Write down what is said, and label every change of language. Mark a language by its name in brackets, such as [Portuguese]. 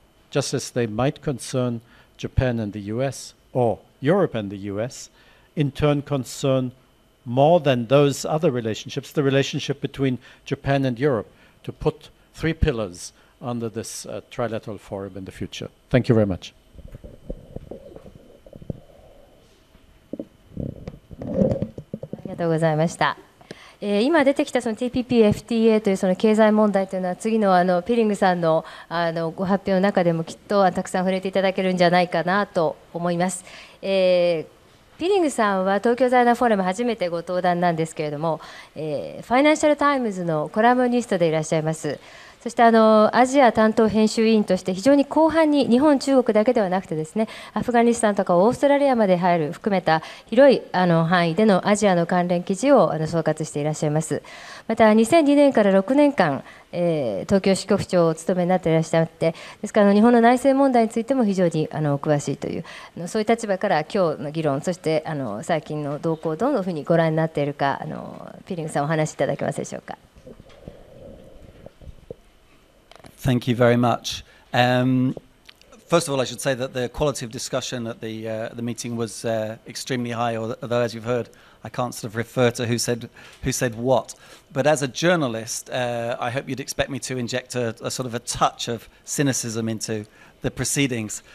[English] just as they might concern Japan and the US, or Europe and the US, in turn concern more than those other relationships, the relationship between Japan and Europe, to put three pillars under this trilateral forum in the future. Thank you very much. [Japanese] ありがとうございました。今出てきたその TPP、FTA というその経済問題というのは次 の, あのピリングさん の, あのご発表の中でもきっとたくさん触れていただけるんじゃないかなと思います。ピリングさんは東京財団フォーラム初めてご登壇なんですけれども、ファイナンシャルタイムズのコラムニストでいらっしゃいます。そしてアジア担当編集委員として非常に広範に日本、中国だけではなくてですね、アフガニスタンとかオーストラリアまで入る含めた広い範囲でのアジアの関連記事を総括していらっしゃいます。また2002年から6年間東京支局長を務めになっていらっしゃって、ですから日本の内政問題についても非常にお詳しいという、そういう立場から今日の議論、そして最近の動向をどのふうにご覧になっているか、ピリングさんお話しいただけますでしょうか。 [English] Thank you very much. First of all, I should say that the quality of discussion at the meeting was extremely high, although as you've heard, I can't sort of refer to who said what. But as a journalist, I hope you'd expect me to inject a sort of a touch of cynicism into the proceedings.